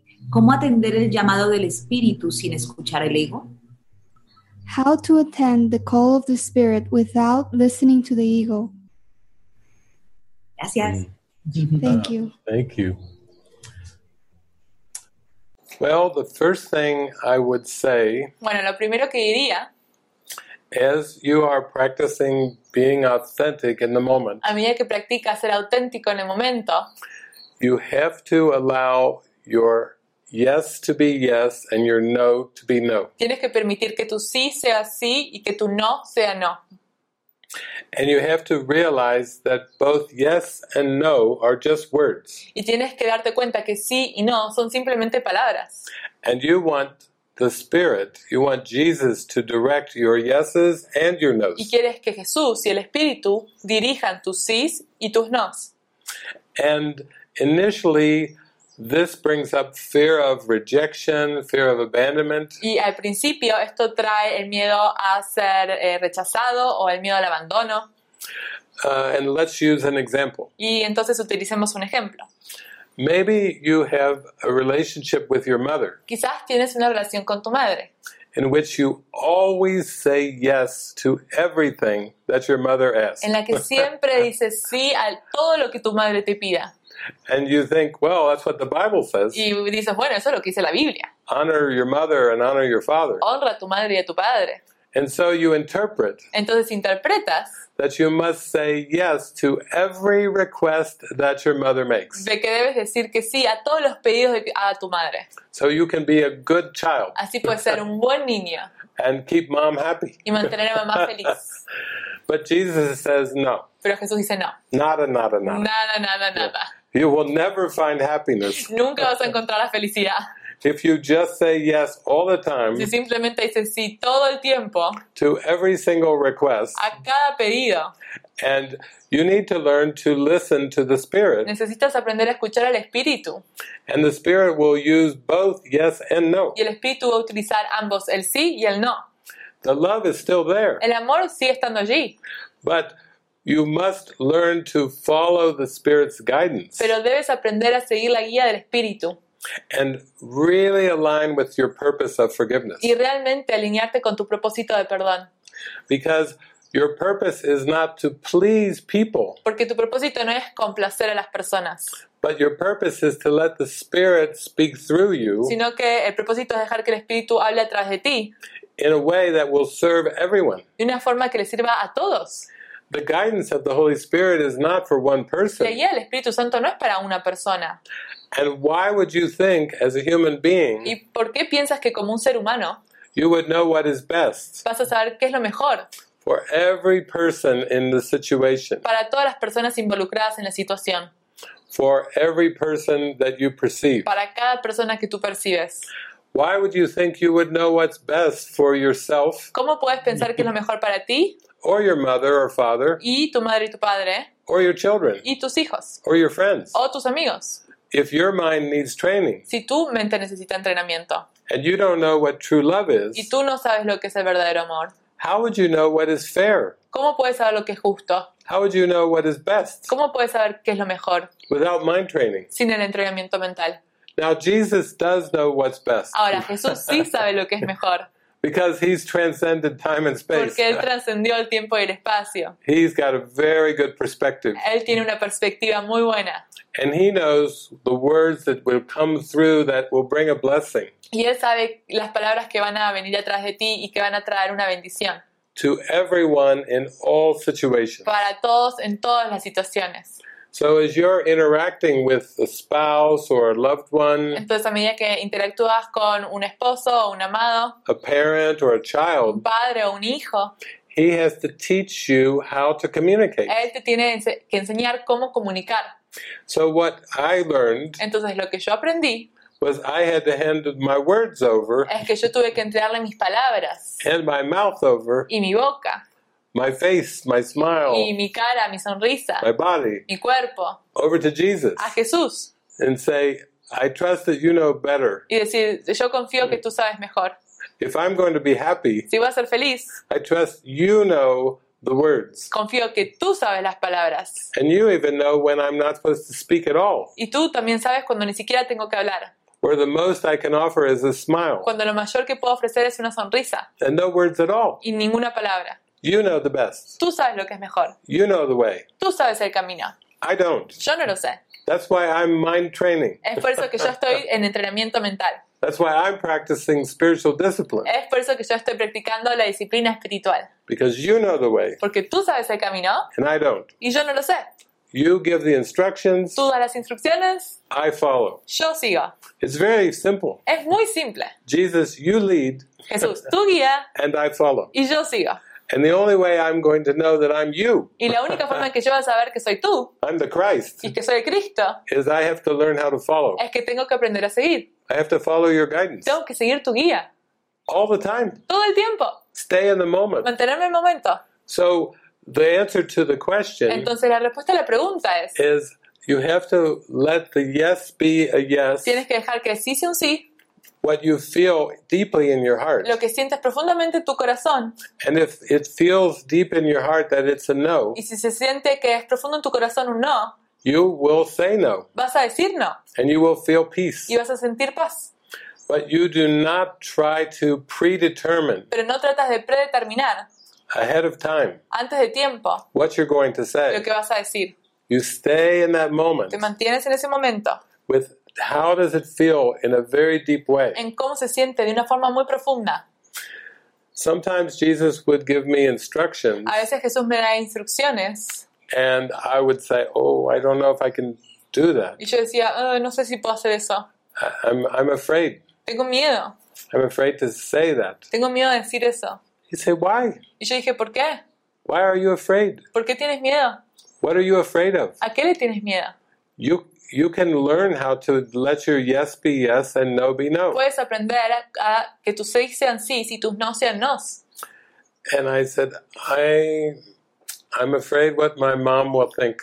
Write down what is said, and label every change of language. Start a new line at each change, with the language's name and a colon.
Spanish: ¿Cómo atender el llamado del espíritu sin escuchar el ego?
English: How to attend the call of the spirit without listening to the ego?
Spanish: Gracias.
English: Thank you. Thank you. Well, the first thing I would say,
Spanish: bueno, lo primero que diría,
English: as you are practicing being authentic in the moment,
Spanish: a medida que practicas ser auténtico en el momento,
English: you have to allow your yes to be yes and your no to be no.
Spanish: Tienes que permitir que tu sí sea sí y que tu no sea no.
English: And you have to realize that both yes and no are just words.
Spanish: Y tienes que darte cuenta que sí y no son simplemente palabras.
English: And you want the Spirit, you want Jesus to direct your yeses and your noes.
Spanish: Y quieres que Jesús y el Espíritu dirijan tus sís y tus noes.
English: And initially, this brings up fear of rejection, fear of abandonment.
Spanish: Y al principio esto trae el miedo a ser rechazado o el miedo al abandono.
English: And let's use an example.
Spanish: Y entonces utilicemos un ejemplo.
English: Maybe you have a relationship with your mother.
Spanish: Quizás tienes una relación con tu madre.
English: In which you always say yes to everything that your mother asks.
Spanish: En la que siempre dices sí a todo lo que tu madre te pida.
English: And you think, well, that's what the Bible says.
Spanish: Y dices, bueno, eso es lo que dice la Biblia.
English: Honor your mother and honor your father.
Spanish: Honra a tu madre y a tu padre.
English: And so you interpret.
Spanish: Entonces interpretas.
English: That you must say yes to every request that your mother makes.
Spanish: De que debes decir que sí a todos los pedidos de a tu madre.
English: So you can be a good child.
Spanish: Así puedes ser un buen niño.
English: And keep mom happy.
Spanish: Y mantener a mamá feliz.
English: But Jesus says no.
Spanish: Pero Jesús dice no. Nada, nada, nada. Nada, nada, nada.
English: You will never find happiness.
Spanish: Nunca vas a encontrar la felicidad.
English: If you just say yes all the time.
Spanish: Si simplemente dices sí todo el tiempo.
English: To every single request.
Spanish: A cada pedido.
English: And you need to learn to listen to the Spirit.
Spanish: Necesitas aprender a escuchar al Espíritu.
English: And the Spirit will use both yes and no.
Spanish: Y el Espíritu va a utilizar ambos, el sí y el no.
English: The love is still there.
Spanish: El amor sigue estando allí.
English: But you must learn to follow the Spirit's guidance.
Spanish: Pero debes aprender a seguir la guía del Espíritu.
English: And really align with your purpose of forgiveness.
Spanish: Y realmente alinearte con tu propósito de perdón.
English: Because your purpose is not to please people.
Spanish: Porque tu propósito no es complacer a las personas.
English: But your purpose is to let the Spirit speak through you.
Spanish: Sino que el propósito es dejar que el Espíritu hable a través de ti.
English: In a way that will serve everyone.
Spanish: De una forma que le sirva a todos.
English: The guidance of the Holy Spirit is not for one person.
Spanish: Y el Espíritu Santo no es para una persona.
English: And why would you think, as a human being,
Spanish: ¿y por qué piensas que como un ser humano,
English: you would know what is best?
Spanish: Vas a saber qué es lo mejor.
English: For every person in the situation.
Spanish: Para todas las personas involucradas en la situación.
English: For every person that you perceive.
Spanish: Para cada persona que tú percibes.
English: Why would you think you would know what's best for yourself?
Spanish: ¿Cómo puedes pensar que es lo mejor para ti?
English: Or your mother or father.
Spanish: Y tu madre y tu padre.
English: Or your children.
Spanish: Y tus hijos.
English: Or your friends.
Spanish: O tus amigos.
English: If your mind needs training.
Spanish: Si tu mente necesita entrenamiento.
English: And you don't know what true love is.
Spanish: Y tú no sabes lo que es el verdadero amor.
English: How would you know what is fair?
Spanish: ¿Cómo puedes saber lo que es justo?
English: How would you know what is best?
Spanish: ¿Cómo puedes saber qué es lo mejor?
English: Without mind training.
Spanish: Sin el entrenamiento mental.
English: Now Jesus does know what's best.
Spanish: Ahora Jesús sí sabe lo que es mejor.
English: Because he's transcended time and space.
Spanish: Porque él trascendió el tiempo y el espacio.
English: He's got a very good perspective.
Spanish: Él tiene una perspectiva muy buena.
English: And he knows the words that will come through that will bring a blessing.
Spanish: Y él sabe las palabras que van a venir atrás de ti y que van a traer una bendición.
English: To everyone in all situations.
Spanish: Para todos en todas las situaciones.
English: So as you're interacting with a spouse or a loved one,
Spanish: entonces a medida que interactúas con un esposo o un amado,
English: a parent or a child,
Spanish: un padre o un hijo,
English: he has to teach you how to communicate.
Spanish: Él te tiene que enseñar cómo comunicar.
English: So what I learned,
Spanish: entonces lo que yo aprendí,
English: was I had to hand my words over,
Spanish: es que yo tuve que entregarle mis palabras,
English: and my mouth over,
Spanish: y mi boca.
English: My face, my smile.
Spanish: Y mi cara, mi sonrisa.
English: My body.
Spanish: Mi cuerpo.
English: Over to Jesus.
Spanish: A Jesús.
English: And say, I trust that you know better.
Spanish: Y decir, yo confío que tú sabes mejor.
English: If I'm going to be happy,
Spanish: si voy a ser feliz,
English: I trust you know the words.
Spanish: Confío que tú sabes las palabras.
English: And you even know when I'm not supposed to speak at all.
Spanish: Y tú también sabes cuando ni siquiera tengo que hablar.
English: Where the most I can offer is a smile.
Spanish: Cuando lo mayor que puedo ofrecer es una sonrisa.
English: And no words at all.
Spanish: Y ninguna palabra.
English: You know the best.
Spanish: Tú sabes lo que es mejor.
English: You know the way.
Spanish: Tú sabes el camino.
English: I don't.
Spanish: Yo no lo sé.
English: That's why I'm mind training.
Spanish: Es por eso que yo estoy en entrenamiento mental.
English: That's why I'm practicing spiritual discipline.
Spanish: Es por eso que yo estoy practicando la disciplina espiritual.
English: Because you know the way.
Spanish: Porque tú sabes el camino.
English: And I don't.
Spanish: Y yo no lo sé.
English: You give the instructions.
Spanish: Tú das las instrucciones.
English: I follow.
Spanish: Yo sigo.
English: It's very simple.
Spanish: Es muy simple.
English: Jesus, you lead.
Spanish: Jesús, tú guía.
English: And I follow.
Spanish: Y yo sigo.
English: And the only way I'm going to know that I'm you.
Spanish: Y la única forma en que yo voy a saber que soy tú.
English: I'm the Christ.
Spanish: Y que soy Cristo.
English: Is I have to learn how to follow.
Spanish: Es que tengo que aprender a seguir.
English: I have to follow your guidance.
Spanish: Tengo que seguir tu guía.
English: All the time.
Spanish: Todo el tiempo.
English: Stay in the moment.
Spanish: Mantenerme en el momento.
English: So the answer to the question.
Spanish: Entonces la respuesta a la pregunta es.
English: Is you have to let the yes be a yes.
Spanish: Tienes que dejar que sí sea un sí.
English: What you feel deeply in your heart.
Spanish: Lo que sientes profundamente en tu corazón.
English: And if it feels deep in your heart that it's a no.
Spanish: Y si se siente que es profundo en tu corazón un no.
English: You will say no.
Spanish: Vas a decir no.
English: And you will feel peace.
Spanish: Y vas a sentir paz.
English: But you do not try to predetermine.
Spanish: Pero no tratas de predeterminar.
English: Ahead of time.
Spanish: Antes de tiempo.
English: What you're going to say.
Spanish: Lo que vas a decir.
English: You stay in that moment.
Spanish: Te mantienes en ese momento.
English: With how does it feel in a very deep way?
Spanish: En cómo se siente de una forma muy profunda.
English: Sometimes Jesus would give me instructions.
Spanish: A veces Jesús me da instrucciones.
English: And I would say, "Oh, I don't know if I can do that."
Spanish: Y yo decía, oh, no sé si puedo hacer eso.
English: I'm afraid.
Spanish: Tengo miedo.
English: I'm afraid to say that.
Spanish: Tengo miedo de decir eso.
English: He said, "Why?"
Spanish: Y yo dije, ¿por qué?
English: Why are you afraid?
Spanish: ¿Por qué tienes miedo?
English: What are you afraid of?
Spanish: ¿A qué le tienes miedo?
English: You can learn how to let your yes be yes and no be no.
Spanish: Puedes aprender a que tus sí sean sí y tus no sean no.
English: And I said, I'm afraid what my mom will think.